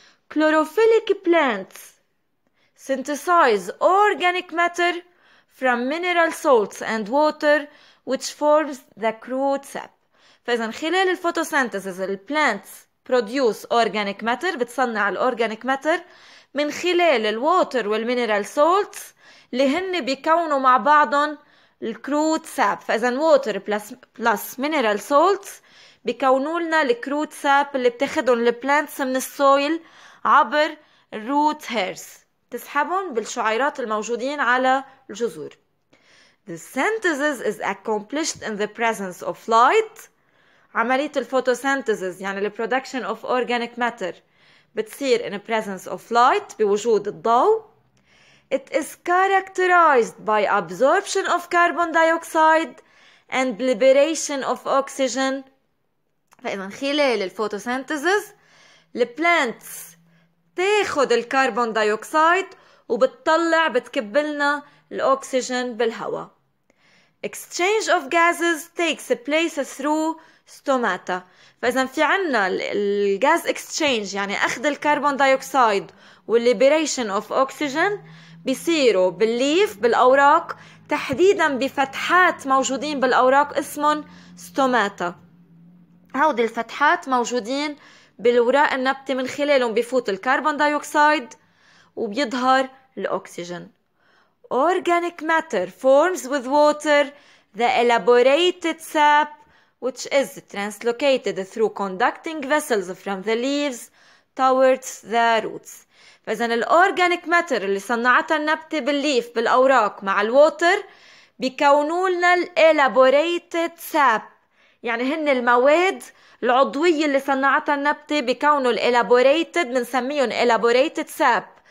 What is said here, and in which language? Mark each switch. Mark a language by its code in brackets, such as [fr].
[en] Chlorophyllic plants synthesize organic matter from mineral salts and water which forms the crude sap. [ar] فإذا خلال الفوتوسينتيزيز ال [en] plants produce organic matter [ar] بتصنع الorganic matter من خلال ال water والmineral salts اللي هن بيكونوا مع بعضهم الكروت ساب. فإذا [en] water plus mineral salts [ar] بيكونوا لنا الكروت ساب اللي بتاخدهم البلانتس من السويل عبر [en] root hairs [ar] تسحبهم بالشعيرات الموجودين على الجذور. [en] The synthesis is accomplished in the presence of light. [ar] عملية الفوتوسينتيزيز يعني [en] the production of organic matter [ar] بتصير [en] in the presence of light [ar] بوجود الضوء. [en] It is characterized by absorption of carbon dioxide and liberation of oxygen. [ar] فإذا خلال الفوتوسينتيزيز [en] the plants [ar] تاخد الكربون دايوكسيد وبتطلع بتكبلنا الأكسجين بالهواء. [en] Exchange of gases takes place through stomata. [ar] فإذا في عنا الغاز exchange يعني أخذ الكربون دايوكسيد والليبريشن [en] of oxygen [ar] بيصيروا بالليف بالأوراق تحديدا بفتحات موجودين بالأوراق اسمهم ستوماتا. هودي الفتحات موجودين بالوراق النبتة من خلالهم بيفوت الكربون دايوكسيد وبيظهر الأكسجين. [en] Organic matter forms with water the elaborated sap which is translocated through conducting vessels from the leaves towards the roots. [ar] فإذا الأورجانيك ماتر اللي صنعتها النبتة بالليف بالأوراق مع الووتر بيكونوا لنا الإلابوريتد ساب، يعني هن المواد العضوية اللي صنعتها النبتة بيكونوا الإلابوريتد، بنسميهم إلابوريتد ساب.